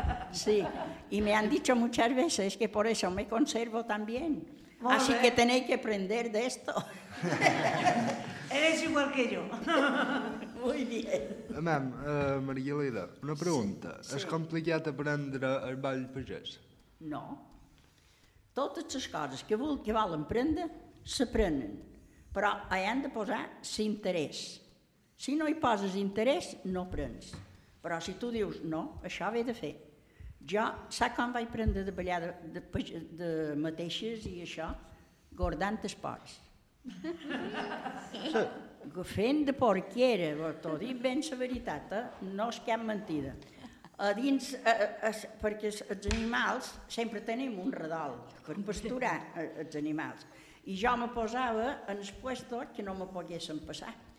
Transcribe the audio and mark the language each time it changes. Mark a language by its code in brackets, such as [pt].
[es] Sí, y me han dicho muchas veces que por eso me conservo tan bien. Muy Así bien. Que tenéis que aprender de esto. Eres igual que yo. Muy bien. Mam, María Lida, una pregunta. Sí, sí. ¿Es complicado aprender el ball pagès? No. [ca] Totes les coses que volen aprendre s'aprenen, però hi han de posar l'interès. Si no hi poses interès, no aprens. Però si tu dius, no, això ho he de fer. Jo, sap com vaig aprendre de ballar de mateixes i això? Guardant els porcs. Sí. Fent de porquera, t'ho dic ben la veritat, no és cap mentida. A dins, perquè els animals, sempre tenim un redol per pasturar els animals. I jo me posava en el puesto que no me poguessin passar.